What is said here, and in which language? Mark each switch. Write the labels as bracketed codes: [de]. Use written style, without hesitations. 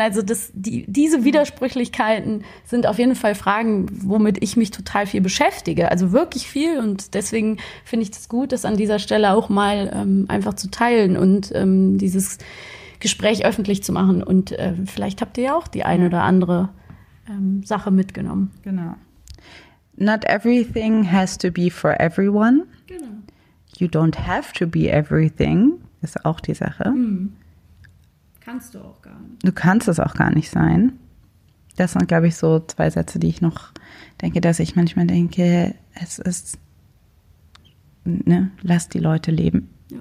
[de] Also diese Widersprüchlichkeiten sind auf jeden Fall Fragen, womit ich mich total viel beschäftige. Also wirklich viel. Und deswegen finde ich das gut, das an dieser Stelle auch mal einfach zu teilen und dieses Gespräch öffentlich zu machen. Und vielleicht habt ihr ja auch die eine oder andere Sache mitgenommen. Genau. [en] Not everything has to be for everyone. [de] Genau. [en] You don't have to be everything, [de] ist auch die Sache. Kannst du auch gar nicht. Du kannst es auch gar nicht sein. Das sind, glaube ich, so zwei Sätze, die ich noch denke, dass ich manchmal denke, es ist, ne, lass die Leute leben. Ja.